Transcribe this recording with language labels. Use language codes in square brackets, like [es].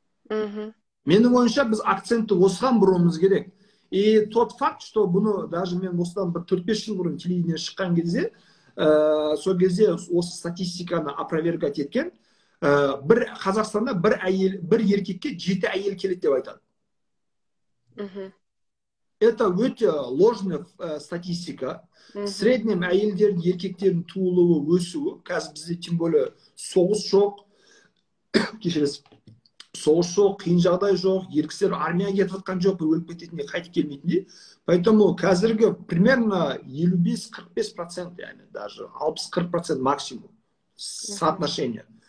[kk] Менің ойымша біз акцентті осыған бұруымыз керек. [ru] И тот факт, что [kk] бұны даже мен осыдан бір 4-5 жыл бұрын телевидениеден шыққан кезде, сол кезде осы статистиканы опровергать еткен, бір Қазақстанда бір әйел, бір еркекке 7 әйел келеді деп айтады. [ru] Это өте ложная статистика. В среднем [kk] әйелдер еркектердің туылуы, өсуі, қазір бізде [ru] тем более [kk] соғыс жоқ. Кешіресіз. Соғыс жоқ, қиын жағдай жоқ, еркектер армияға кетіп жатқан жоқ, өліп кететіндей қайтып келмейтіндей. Поэтому қазіргі примерно 55-45%, яғни даже 60-40% [ru] максимум соотношение.